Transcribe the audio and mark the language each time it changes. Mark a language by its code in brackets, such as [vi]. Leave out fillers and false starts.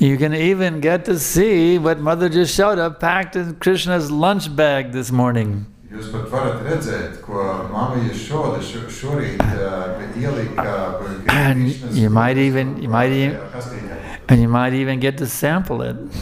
[en] You can even get to see what Mother Jashoda packed in Krishna's lunch bag this morning. [lv] Jūs pat varat redzēt, ko Mama Jashoda šorīt ielika. [en] And you might even get to sample it.